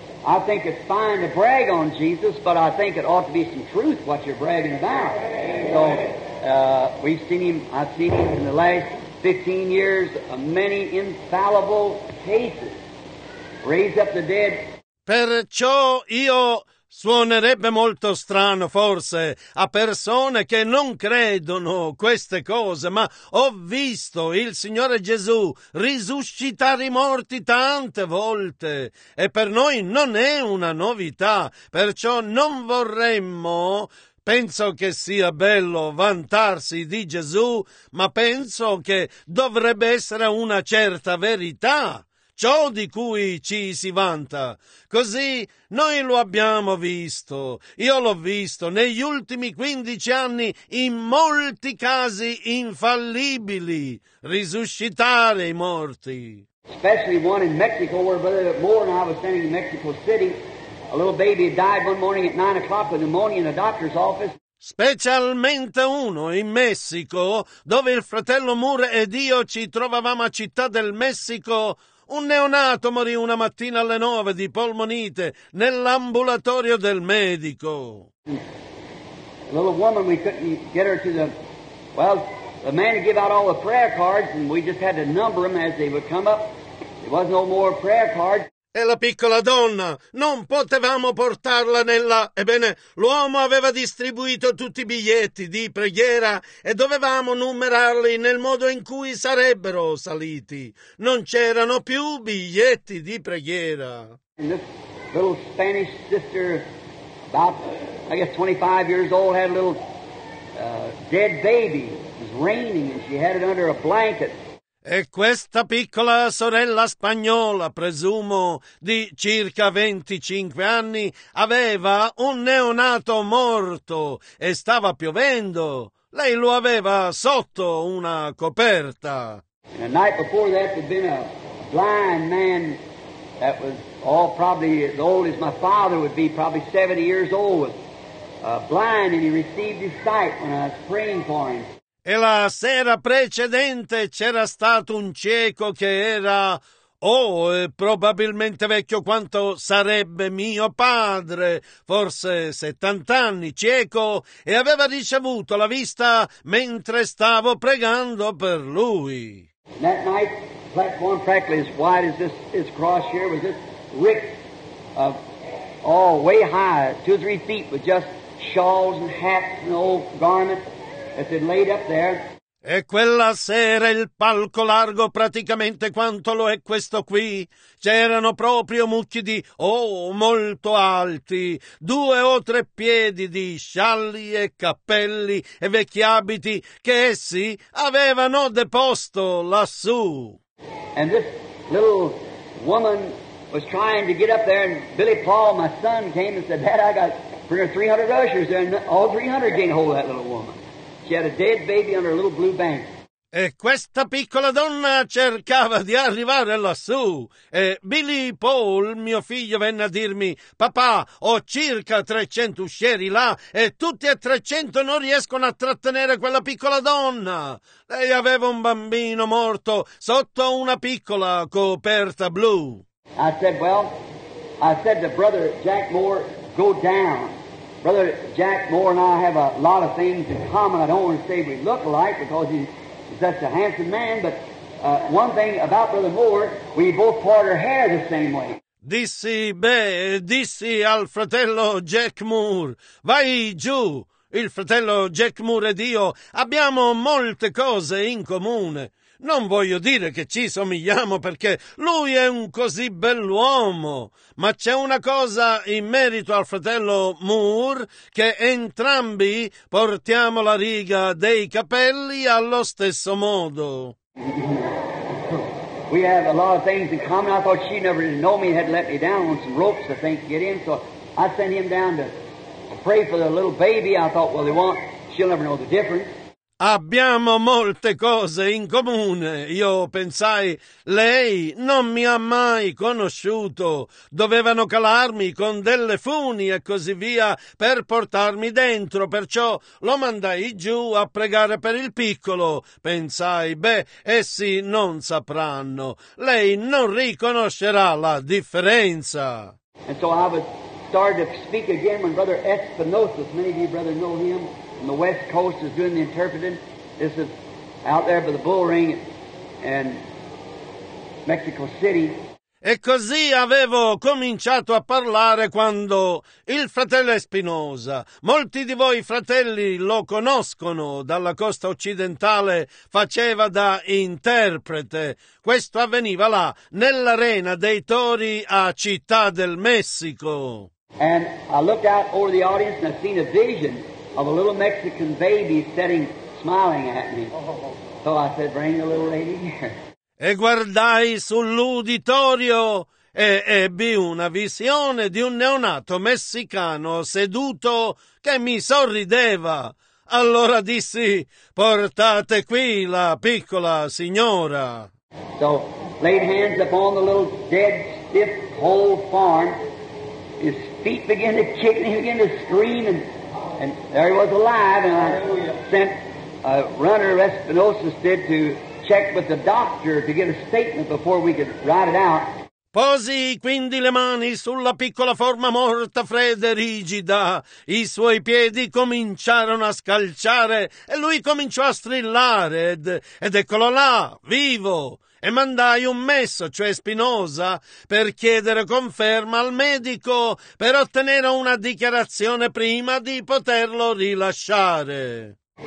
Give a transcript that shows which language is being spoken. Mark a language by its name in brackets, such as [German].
[English] I think it's fine to brag on Jesus, but I think it ought to be some truth what you're bragging about. So we've seen him, I've seen him in the last 15 years, many infallible cases. Raise up the dead. [Italian] Perciò io suonerebbe molto strano, forse, a persone che non credono queste cose, ma ho visto il Signore Gesù risuscitare i morti tante volte e per noi non è una novità, perciò non vorremmo, penso che sia bello vantarsi di Gesù, ma penso che dovrebbe essere una certa verità. Ciò di cui ci si vanta, così noi lo abbiamo visto, io l'ho visto negli ultimi 15 anni in molti casi infallibili, risuscitare i morti. [English] Especially one in Mexico where Brother Moore and I was standing in Mexico City, a little baby died one morning at 9 o'clock with pneumonia in a doctor's office. [Italian] Specialmente uno in Messico, dove il fratello Moore ed io ci trovavamo a Città del Messico. Un neonato morì una mattina alle 9 di polmonite nell'ambulatorio del medico. [English] A little woman, we couldn't get her to the... Well, the man would give out all the prayer cards and we just had to number them as they would come up. There was no more prayer cards. [Italian] E la piccola donna, non potevamo portarla nella... Ebbene, l'uomo aveva distribuito tutti i biglietti di preghiera e dovevamo numerarli nel modo in cui sarebbero saliti. Non c'erano più biglietti di preghiera. [English] And this little Spanish sister, about, I guess, 25 years old, had a little dead baby. It was raining and she had it under a blanket. [Italian] E questa piccola sorella spagnola, presumo di circa 25 anni, aveva un neonato morto e stava piovendo. Lei lo aveva sotto una coperta. [English] And the night before that there'd been a blind man that was all probably as old as my father would be, probably 70 years old, blind, and he received his sight when I was praying for him. [Italian] E la sera precedente c'era stato un cieco che era probabilmente vecchio quanto sarebbe mio padre, forse 70 anni, cieco, e aveva ricevuto la vista mentre stavo pregando per lui. [English] That night, platform practically as wide as this cross here, was this rick of way high, 2 or 3 feet, with just shawls and hats and old garments. Laid up there. [Italian] E quella sera il palco largo praticamente quanto lo è questo qui, c'erano proprio mucchi di molto alti, 2 o 3 piedi di scialli e cappelli e vecchi abiti che essi avevano deposto lassù. [English] And this little woman was trying to get up there, and Billy Paul, my son, came and said, "Dad, I got 300 ushers there, and all 300 can't hold that little woman." She had a dead baby under a little blue blanket. [Italian] E questa piccola donna cercava di arrivare lassù. E Billy Paul, mio figlio, venne a dirmi: "Papà, ho circa 300 uscieri là e tutti e 300 non riescono a trattenere quella piccola donna." Lei aveva un bambino morto sotto una piccola coperta blu. [English] I said to Brother Jack Moore, "Go down." Brother Jack Moore and I have a lot of things in common. I don't want to say we look alike because he's such a handsome man, but one thing about Brother Moore, we both part our hair the same way. [Italian] Dissi al fratello Jack Moore, "Vai giù, Il fratello Jack Moore ed io abbiamo molte cose in comune. Non voglio dire che ci somigliamo perché lui è un così bell'uomo, ma c'è una cosa in merito al fratello Moore che entrambi portiamo la riga dei capelli allo stesso modo. [English] We have a lot of things in common. I thought she never didn't know me, had let me down on some ropes, I think, to get in. So I sent him down to pray for the little baby. I thought, well, they won't. She'll never know the difference. [Italian] Abbiamo molte cose in comune. Io pensai, lei non mi ha mai conosciuto. Dovevano calarmi con delle funi e così via per portarmi dentro. Perciò lo mandai giù a pregare per il piccolo. Pensai, beh, essi non sapranno. Lei non riconoscerà la differenza. [English] And so I was started to speak again when Brother Espinosa, many of you brothers know him. On the west coast is doing the interpreting. This is out there by the bull ring and Mexico City. [Italian] E così avevo cominciato a parlare quando il fratello Espinosa, molti di voi fratelli lo conoscono dalla costa occidentale, faceva da interprete. Questo avveniva là, nell'arena dei tori a Città del Messico. [English] And I looked out over the audience and I seen a vision of a little Mexican baby sitting, smiling at me. So I said, bring the little lady here. [Italian] E guardai sull'uditorio e ebbi una visione di un neonato messicano seduto che mi sorrideva. Allora dissi, portate qui la piccola signora. [English] So laid hands upon the little dead, stiff, whole form. His feet began to kick and he began to scream and there he was alive, and I sent a runner, Espinosa did, to check with the doctor to get a statement before we could write it out. [Italian] Posi quindi le mani sulla piccola forma morta, fredda e rigida. I suoi piedi cominciarono a scalciare e lui cominciò a strillare ed eccolo là, vivo. E mandai un messo, cioè Spinosa, per chiedere conferma al medico per ottenere una dichiarazione prima di poterlo rilasciare.